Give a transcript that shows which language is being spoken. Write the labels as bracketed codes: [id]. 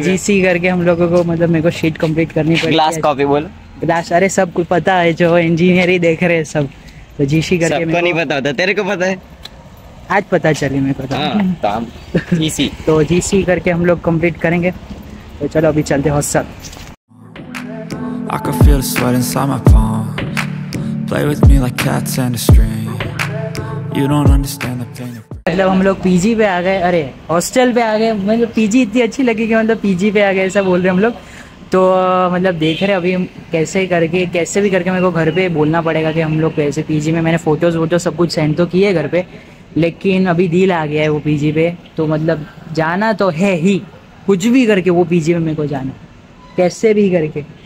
[hi] GC करके हम लोगों को, मतलब मेरे को शीट कंप्लीट करनी पड़ी। ग्लास कॉपी बोल ग्लास, अरे सब कुछ पता है जो इंजीनियर ही देख रहे हैं सब। तो जीसी करके सबको नहीं पता होता, तेरे को पता है? आज पता चले मेरे को। हां जीसी तो जीसी करके हम लोग कंप्लीट करेंगे। तो चलो अभी चलते हैं hostel. [en] I can feel the sweat inside my palms. Play with me like cats and a string. You don't understand the pain. [hi] मतलब हम लोग पीजी पे आ गए, अरे हॉस्टल पे आ गए। मतलब पीजी इतनी अच्छी लगी कि मतलब पीजी पे आ गए ऐसा बोल रहे हम लोग। तो मतलब देख रहे अभी कैसे करके, कैसे भी करके मेरे को घर पे बोलना पड़ेगा कि हम लोग कैसे पीजी में। मैंने फोटोज वोटो सब कुछ सेंड तो किए घर पे, लेकिन अभी डील आ गया है वो पीजी पे, तो मतलब जाना तो है ही, कुछ भी करके वो पीजी में मेरे को जाना कैसे भी करके।